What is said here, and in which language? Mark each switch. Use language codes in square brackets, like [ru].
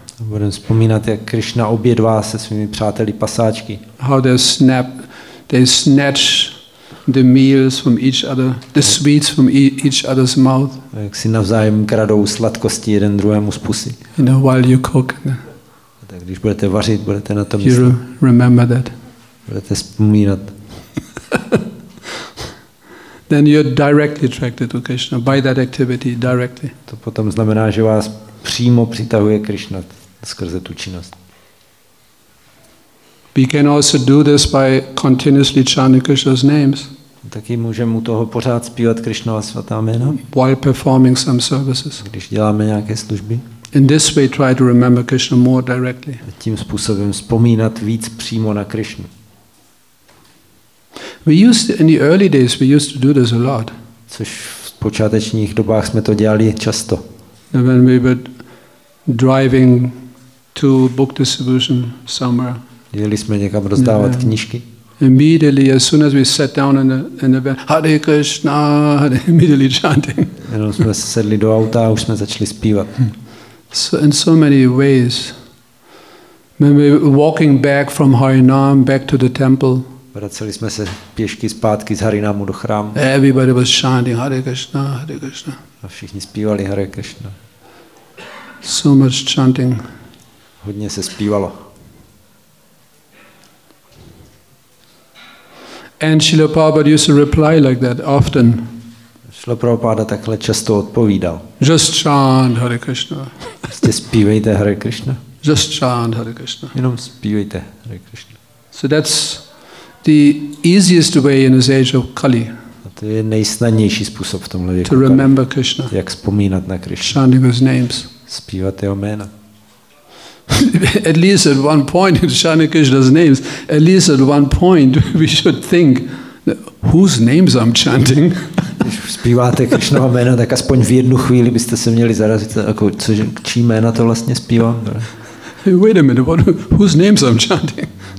[cs] A budeme vzpomínat, jak Krishna obědvá se svými přáteli pasáčky. [en] How they snatch the meals from each other, the sweets from each other's mouth. [cs] Jak si navzájem kradou sladkosti jeden druhému z pusy. [en] You know, while you cook. [cs] A tak když budete vařit, budete na tom myslet. [en] You remember that. [cs] Budete vzpomínat. [en] Then you're directly attracted to Krishna by that activity directly. [cs] To potom znamená, že vás přímo přitahuje Krishna skrze tu činnost. [en] We can also do this by continuously chanting Krishna's names. [cs] Taky můžeme u toho pořád zpívat Krishnova svatá jména. [en] While performing some services. [cs] Když děláme nějaké služby. [en] In this way try to remember Krishna more directly. [cs] A tím způsobem vzpomínat víc přímo na Krishnu. [en] In the early days we used to do this a lot. [cs] Což v počátečních dobách jsme to dělali často. [en] And when we were driving to book distribution somewhere. [cs] Jeli jsme někam rozdávat knížky. [en] Immediately, as soon as we sat down in the van, Hare Krishna, immediately chanting. [cs] Jenom jsme sedli do auta a už jsme začali zpívat. [en] So in so many ways, when we were walking back from Harinam back to the temple. [cs] Vraceli jsme se pěšky zpátky z Harinamu do chrámu. [en] Everybody was chanting Hare Krishna, Hare Krishna. [cs] A všichni zpívali Hare Krishna. [en] So much chanting. [cs] hodně se zpívalo. [en] And Srila Prabhupada used to reply like that often. [cs] Srila Prabhupada takhle často odpovídal. [en] Just chant Hare Krishna. [cs] Prostě zpívejte Hare Krishna. [en] Just chant Hare Krishna. [cs] Jenom zpívejte Hare Krishna. [en] So that's the easiest way in this age of Kali. [cs] A to je nejsnadnější způsob v tomhle věku. [en] To remember Krishna. [cs] Jak vzpomínat na Krishna. [en] Chanting his names. [cs] Zpívat jeho jména. [en] At least at one point in chanting Krishna's names, at least at one point we should think whose names I'm chanting. [cs] Když zpíváte Krishnova jména, tak aspoň v jednu chvíli byste se měli zarazit, jako, co, čí jména to vlastně zpívám. [en] Hey, wait a minute, what, whose names I'm chanting?